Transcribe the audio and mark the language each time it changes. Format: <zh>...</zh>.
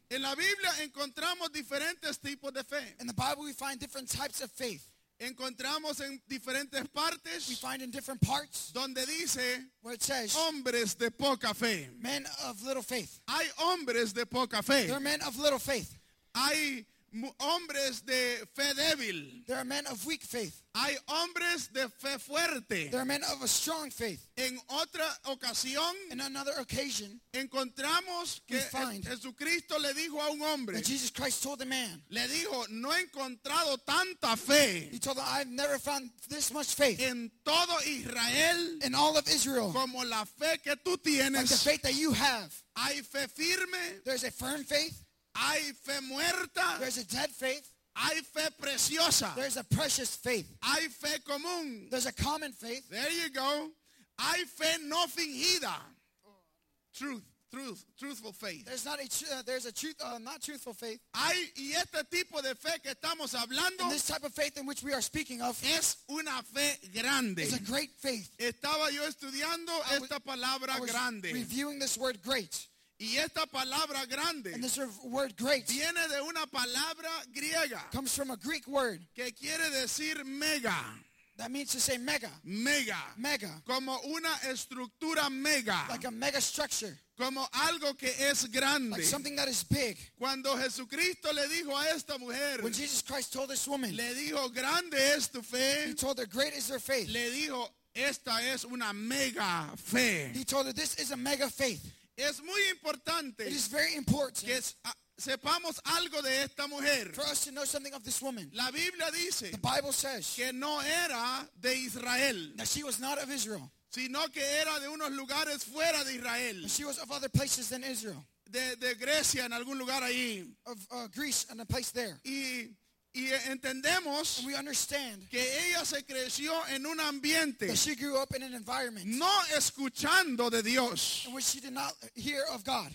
<es>En la Biblia encontramos diferentes tipos de fe.</es> <en>In the Bible we find different types of faith.</en> <es>Encontramos en diferentes partes.</es> <en>We find in different parts.</en> <es>Donde dice.</es> <en>Where it says.</en> <es>Hombres de poca fe.</es> <en>Men of little faith.</en> <es>Hay hombres de poca fe.</es> <en>There are men of little faith.</en> <es>Hay hombres de fe débil.</es> <en>There are men of weak faith.</en> <es>Hay hombres de fe fuerte.</es> <en>There are men of a strong faith.</en> <es>En otra ocasión.</es> <en>In another occasion.</en> <es>Encontramos que Jesucristo le dijo a un hombre.</es> <en>That Jesus Christ told the man.</en> <es>Le dijo, no he encontrado tanta fe.</es> <en>He told him, I've never found this much faith.</en> <es>En todo Israel.</es> <en>In all of Israel.</en> <es>Como la fe que tú tienes.</es> <en>Like the faith that you have.</en> <es>Hay fe firme.</es> <en>There's a firm faith.</en> <es>Hay fe muerta.</es> <en>There's a dead faith.</en> <es>Hay fe preciosa.</es> <en>There's a precious faith.</en> <es>Hay fe común.</es> <en>There's a common faith. There you go.</en> <es>Hay fe no fingida.</es> <en>Truthful faith. There's not a truthful faith.</en> <es>Hay, y este tipo de fe que estamos hablando.</es> <en>And this type of faith in which we are speaking of.</en> <es>Es una fe grande.</es> <en>It's a great faith.</en> <es>Estaba yo estudiando esta palabra grande.</es> <en>I was reviewing this word great.</en> <es>Y esta palabra grande viene de una palabra griega,</es> <en>comes from a Greek word,</en> <es>que quiere decir mega.</es> <en>That means to say mega.</en> <es>Mega.</es> <en>Mega.</en> <es>Como una estructura mega.</es> <en>Like a mega structure.</en> <es>Como algo que es grande.</es> <en>Like something that is big.</en> <es>Cuando Jesucristo le dijo a esta mujer.</es> <en>When Jesus Christ told this woman.</en> <es>Le dijo, grande es tu fe.</es> <en>He told her, great is your faith.</en> <es>Le dijo, esta es una mega fe.</es> <en>He told her, this is a mega faith.</en> <es>Es muy importante.</es> <en>It is very important.</en> <es>Que sepamos algo de esta mujer.</es> <en>For us to know something of this woman.</en> <es>La Biblia dice.</es> <en>The Bible says.</en> <es>Que no era de Israel.</es> <en>That she was not of Israel.</en> <es>Sino que era de unos lugares fuera de Israel.</es> <en>But she was of other places than Israel.</en> <es>De Grecia, en algún lugar ahí.</es> <en>Of Greece and a place there.</en> <es>Y entendemos.</es> <en>And we understand.</en> <es>Que ella se creció en un ambiente.</es> <en>That she grew up in an environment.</en> <es>No escuchando de Dios.</es> <en>In which she did not hear of God.</en>